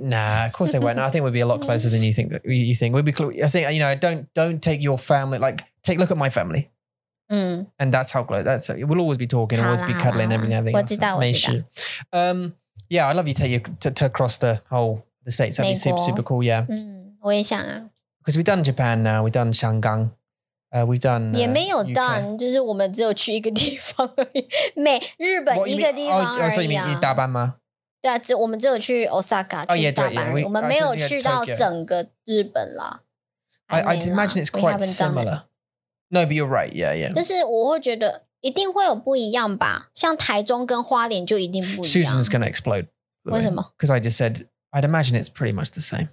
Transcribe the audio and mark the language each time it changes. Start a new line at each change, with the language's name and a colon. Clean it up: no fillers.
English: Nah, of course they won't. I think we'd be a lot closer than you think. We'd be close. I think, you know, don't take your family, like, take a look at my family. And that's how close, that's, we'll always be talking, always be cuddling and everything.
Chinese: 我知道。
English: Yeah, I'd love you to take you to across the whole the states. That'd be super, super cool, yeah.
Chinese: 我也想啊。
English: Because we've done Japan now, we've done 香港, we've done
Chinese: 也没有
English: done,
Chinese: 就是我们只有去一个地方而已。每日本一个地方而已啊。
English: Oh, so you mean 大阪吗?
Chinese: 对啊,我们只有去 Osaka, 去大阪。我们没有去到整个日本啦。
English: I'd imagine it's quite similar. No, but you're right, yeah.
Chinese: 但是我会觉得 一定会有不一样吧，像台中跟花莲就一定不一样。Susan's
English: gonna explode.
Chinese: 为什么？
English: Because I just said I'd imagine it's pretty much the same.